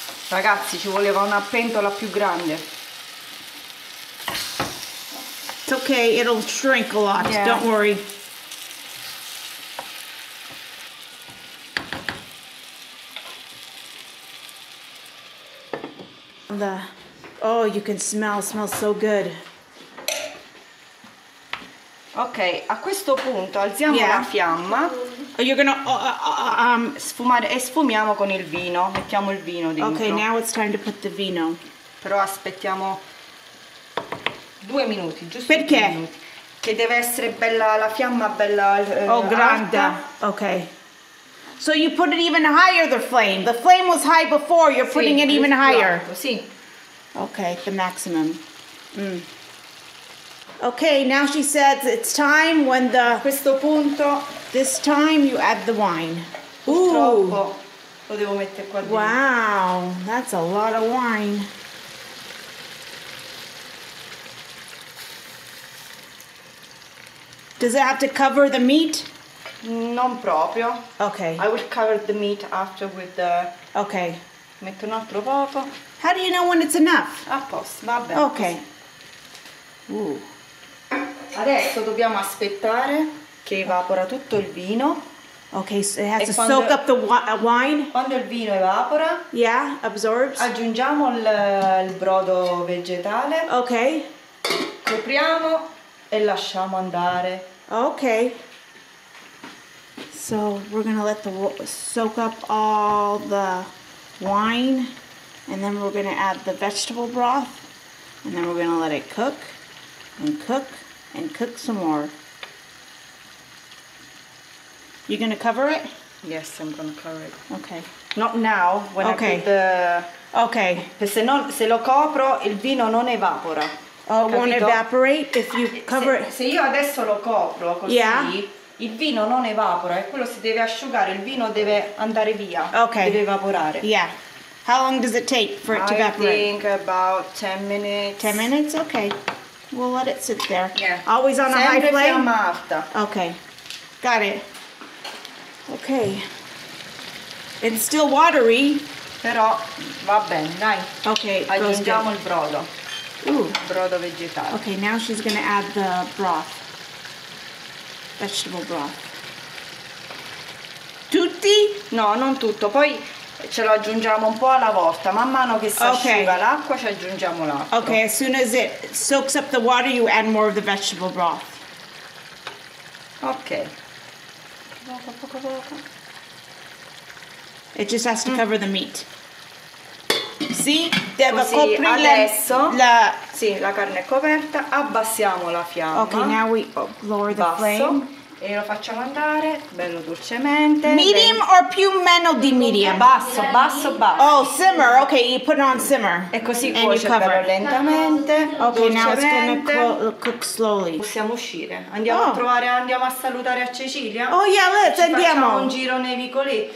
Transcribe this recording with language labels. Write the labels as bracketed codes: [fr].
[it] Ragazzi, ci voleva una pentola più grande. [en] It's okay, it'll shrink a lot. Yeah. Don't worry. The, oh, you can smell, smells so good. [it] Ok, a questo punto alziamo la fiamma. [en] You're gonna [it] sfumare e sfumiamo con il vino. Mettiamo il vino dentro. [en] Okay, now it's time to put the vino. [it] Però aspettiamo 2 minuti, giusto? Perché? 2 minuti. Che deve essere bella la fiamma, bella grande. Alta. Okay. [en] So you put it even higher, the flame. The flame was high before, you're [it] sì, [en] putting it even [it] più [en] higher. [it] Alto, sì. [en] Okay, the maximum. Mm. Okay, now she says it's time when the... [it] A questo punto... [en] This time you add the wine. Ooh. [it] Purtroppo lo devo mettere qua dentro. [en] Wow, that's a lot of wine. Does it have to cover the meat? [it] Non proprio. [en] Okay. I will cover the meat after with the... Okay. [it] Metto un altro poco. [en] How do you know when it's enough? [it] A posto, va bene. [en] Okay. Ooh. [it] Adesso dobbiamo aspettare che evapora tutto il vino. [en] Ok, so it has to soak up the wine. [it] Quando il vino evapora, [en] yeah, absorbs. [it] Aggiungiamo il brodo vegetale. Ok. Copriamo e lasciamo andare. [en] Ok. So we're gonna let the soak up all the wine and then we're gonna add the vegetable broth and then we're gonna let it cook and cook. And cook some more. You gonna cover it? Yes, I'm gonna cover it. Okay. Not now, when okay. I put the... Okay. [it] Perché se lo copro, il vino non evapora. [en] Oh, won't evaporate if you cover it? [it] Se io adesso lo copro così, [en] yeah. [it] Il vino non evapora. E quello si deve asciugare, il vino deve andare via. [en] Okay. [it] Deve evaporare. [en] Yeah. How long does it take for it to evaporate? I think about 10 minutes. 10 minutes? Okay. We'll let it sit there. Yeah. Always on [it] sempre [en] a high flame? [it] Fiamma alta. [en] Okay. Got it. Okay. It's still watery. [it] Però va bene, dai. [en] Okay. [it] Aggiungiamo il brodo. Ooh. Brodo vegetale. [en] Okay, now she's gonna add the broth. Vegetable broth. [it] Tutti? No, non tutto. Poi ce lo aggiungiamo un po' alla volta, man mano che si asciuga [en] okay. [it] L'acqua ci aggiungiamo l'acqua. [en] Okay, as soon as it soaks up the water you add more of the vegetable broth. Okay. It just has to cover the meat. [it] Sì, deve coprire adesso la... Sì, la carne è coperta, abbassiamo la fiamma. [en] Okay, now we lower the [it] basso. [en] Flame. [it] E lo facciamo andare bello dolcemente. [en] Medium or [it] più meno di [en] medium? [it] Basso, basso, basso. [en] Oh, simmer, ok, you put it on simmer. [it] E così cuoce lentamente. [en] Ok, now it's gonna cook slowly. [it] Possiamo uscire. Andiamo a trovare, andiamo a salutare a Cecilia. [en] Oh yeah, let's, andiamo. [it] Facciamo un giro nei vicoletti.